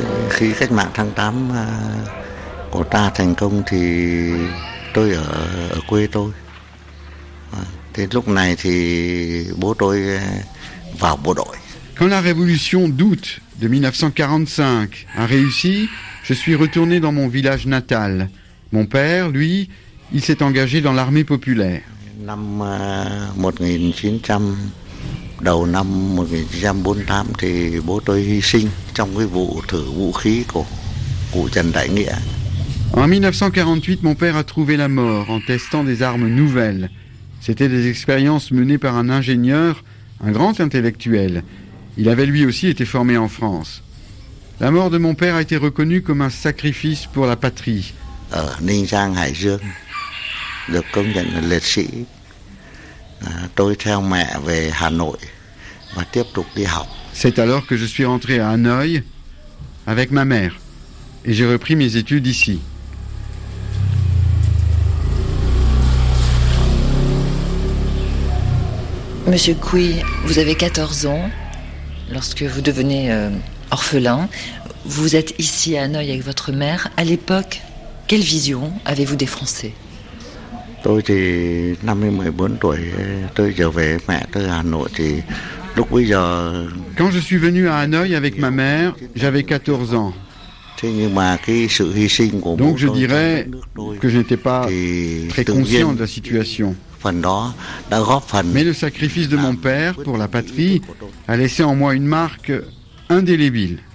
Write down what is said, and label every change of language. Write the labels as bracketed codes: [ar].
[vi] Khi cách mạng tháng 8 của ta thành công thì tôi ở quê tôi. Thế lúc này thì bố tôi vào bộ đội. [fr] Quand la révolution d'août de 1945 a réussi, je suis retourné dans mon village natal. Mon père, lui, il s'est engagé dans l'armée populaire. [vi] Năm 1900 đầu năm 1948 thì bố tôi hy sinh trong cái vụ thử vũ khí của cụ Trần Đại Nghĩa. [fr] En 1948, mon père a trouvé la mort en testant des armes nouvelles. C'était des expériences menées par un ingénieur, un grand intellectuel. Il avait lui aussi été formé en France. La mort de mon père a été reconnue comme un sacrifice pour la patrie. [vi] Ở Ninh Giang, Hải Dương, được công nhận là liệt sĩ. Tôi theo mẹ về Hà Nội và tiếp tục đi học. [fr] C'est alors que je suis rentré à Hanoï avec ma mère et j'ai repris mes études ici. Monsieur Quy, vous avez 14 ans lorsque vous devenez orphelin. Vous êtes ici à Hanoï avec votre mère. À l'époque, quelle vision avez-vous des Français? [vi] Tôi thì năm 14 tuổi tôi trở về mẹ tôi Hà Nội thì [fr] Donc oui, quand je suis venu à Hanoï avec ma mère, j'avais 14 ans. Donc je dirais que je n'étais pas très conscient de la situation. Mais le sacrifice de mon père pour la patrie a laissé en moi une marque indélébile.